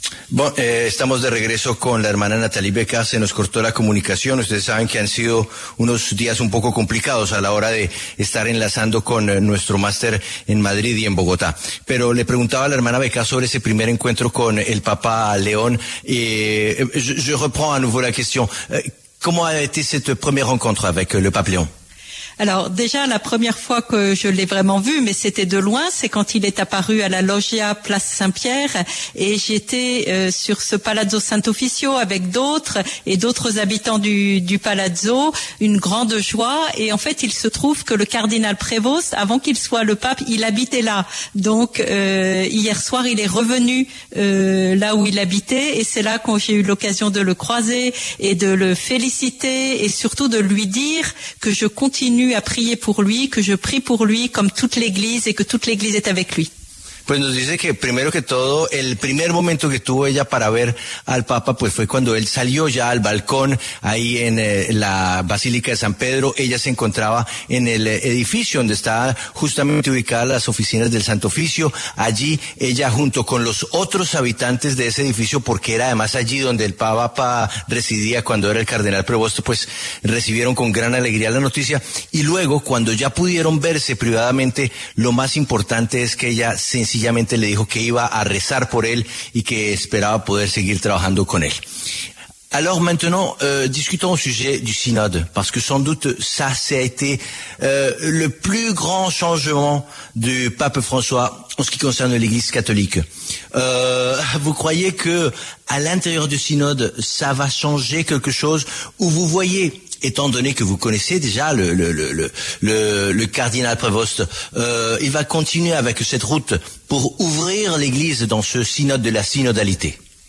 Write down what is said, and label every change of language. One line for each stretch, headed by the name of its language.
Spanish: Bueno, estamos de regreso con la hermana Nathalie Bécart. Se nos cortó la comunicación. Ustedes saben que han sido unos días un poco complicados a la hora de estar enlazando con nuestro máster en Madrid y en Bogotá. Pero le preguntaba a la hermana Bécart sobre ese primer encuentro con el Papa León.
French: Je reprends à nouveau la question.
Spanish: ¿Cómo ha
French: été cette première rencontre avec le Pape León? Alors déjà la première fois que je l'ai vraiment vu, mais c'était de loin, c'est quand il est apparu à la loggia Place Saint-Pierre et j'étais sur ce Palazzo Sant'Officio avec d'autres et d'autres habitants du Palazzo, une grande joie. Et en fait il se trouve que le cardinal Prévost, avant qu'il soit le pape, il habitait là. Donc hier soir il est revenu là où il habitait et c'est là que j'ai eu l'occasion de le croiser et de le féliciter et surtout de lui dire que je continue à prier pour lui, que je prie pour lui comme toute l'église et que toute l'église est avec lui.
Spanish: Pues nos dice que primero que todo, el primer momento que tuvo ella para ver al Papa, pues fue cuando él salió ya al balcón ahí en la Basílica de San Pedro. Ella se encontraba en el edificio donde estaba justamente ubicadas las oficinas del Santo Oficio. Allí ella junto con los otros habitantes de ese edificio, porque era además allí donde el Papa residía cuando era el Cardenal Prevosto, pues recibieron con gran alegría la noticia. Y luego, cuando ya pudieron verse privadamente, lo más importante es que ella se sencillamente le dijo que iba a rezar por él y que esperaba poder seguir trabajando con él.
French: Alors maintenant, discutons au sujet du synode, parce que sans doute ça, c'est été le plus grand changement du pape François en ce qui concerne l'Église catholique. Vous croyez que à l'intérieur du synode, ça va changer quelque chose, ou vous voyez, étant donné que vous connaissez déjà le cardinal Prévost, il va continuer avec cette route pour ouvrir l'Église dans ce synode de la synodalité?